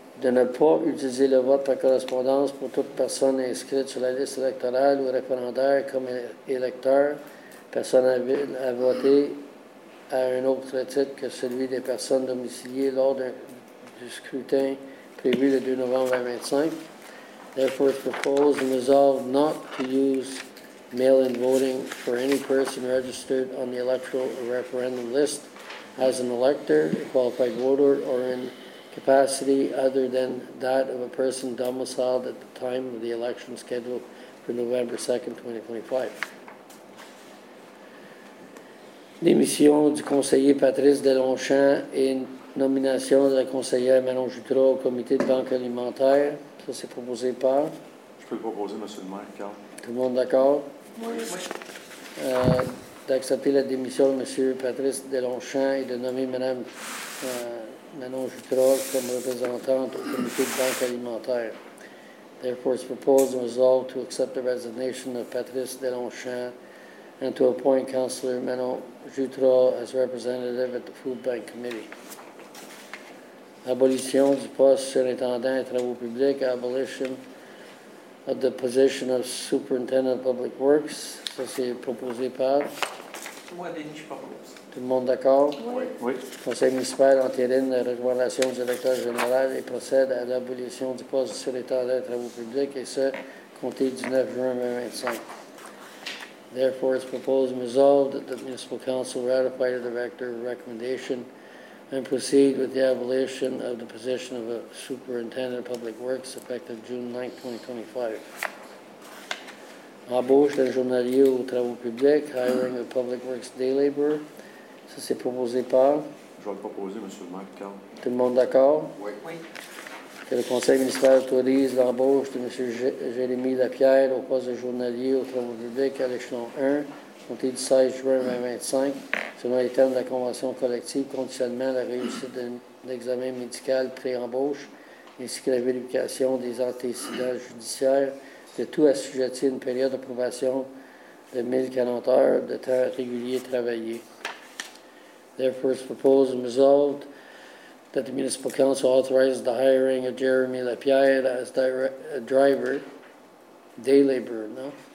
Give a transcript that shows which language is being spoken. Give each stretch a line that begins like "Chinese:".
French: De ne pas utiliser le vote par correspondance pour toute personne inscrite sur la liste électorale ou référendaire comme électeur, personne à voter à un autre titre que celui des personnes domiciliées lors du scrutin prévu le 2 novembre 2025.
English: Therefore, it's proposed and resolved not to use mail-in voting for any person registered on the electoral or referendum list as an elector, a qualified voter, or in capacity other than that of a person domiciled at the time of the election scheduled for November 2nd, 2025.
French: Démission du conseiller Patrice Delonchamp et nomination de la conseillère Manon Jutras au comité de banque alimentaire. Ça, c'est proposé par... Je peux le proposer, monsieur le maire, Carl. Tout le monde d'accord? Oui. D'accepter la démission de monsieur Patrice Delonchamp et de nommer madame Manon Jutras comme représentante au comité de banque alimentaire.
English: Therefore, it's proposed and resolved to accept the resignation of Patrice Delonchamp and to appoint Councillor Manon Jutras as representative at the Food Bank Committee.
French: Abolition du poste surintendant et travaux publics,
English: abolition of the position of Superintendent of Public Works.
French: Ça, c'est proposé par... Moi, Denis, je propose. Tout le monde d'accord? Oui. Oui. Conseil municipal entérine la recommandation du directeur général et procède à l'abolition du poste surintendant et travaux publics, et ce, compté du 9 juin 2025.
English: Therefore, it's proposed and resolved that the Municipal Council ratify the director's recommendation and proceed with the abolition of the position of a superintendent of public works effective June 9, 2025.
French: Embauche d'un journalier aux travaux publics,
English: hiring a public works day laborer.
French: Ça, c'est proposé par? Je vais le proposer, monsieur le maire, Carl. Tout le monde d'accord? Oui. Oui. Que le conseil municipal autorise l'embauche de M. Jérémy Lapierre au poste de journalier aux travaux publics à l'échelon 1, compté du 16 juin 2025, selon les termes de la convention collective, conditionnement à la réussite d'un examen médical pré-embauche, ainsi que la vérification des antécédents judiciaires, de tout assujetti à une période d'approbation de 1040 heures de temps régulier travaillé.
English: Therefore, it's proposed and resolved that the Municipal Council authorizes the hiring of Jeremy Lapierre as a driver, day laborer, no?